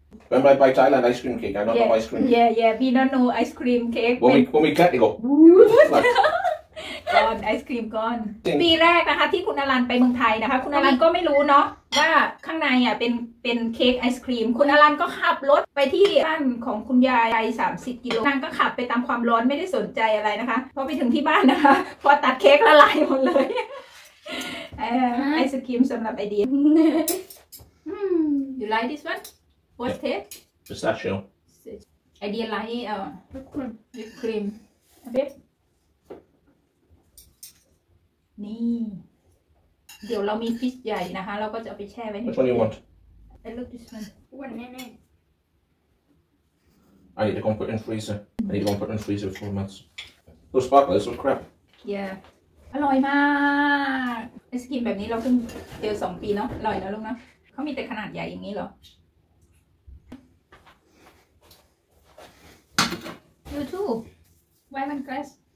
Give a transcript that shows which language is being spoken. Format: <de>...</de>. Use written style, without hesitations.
<en>When I buy Thailand ice cream cake, I don't know ice cream. Yeah, yeah. We don't know ice cream cake. When we cut, they go. Gone. Ice cream gone.</en> <th>ปีแรกนะคะที่คุณอลันไปเมืองไทยนะคะคุณอลันก็ไม่รู้เนาะว่าข้างในอ่ะเป็นเค้กไอศกรีมคุณอลันก็ขับรถไปที่บ้านของคุณยายไป30กิโลนางก็ขับไปตามความร้อนไม่ได้สนใจอะไรนะคะพอไปถึงที่บ้านนะคะพอตัดเค้กละลายหมดเลยไอศกรีมสำหรับไอเดีย</th> <en>You like this one? What's it? Pistachio</en> <th>ไอเดียไลท์วิปครีมเบบนี่เดี๋ยวเรามีฟิชใหญ่นะคะเราก็จะเอาไปแช่ไว้</th> <en>Which one you want? I look this one One</en> <th>แน่ๆ</th> <en>I need to go and put in freezer I need to go and put in freezer for months Those sparklers are crap</en> <th>Yeahอร่อยมากไอศกรีมแบบนี้เราเพิ่งเจอ2ปีเนาะอร่อยแล้วลูกนะเขามีแต่ขนาดใหญ่อย่างนี้เหรอ</th> <en>You too Why don't you guys</en>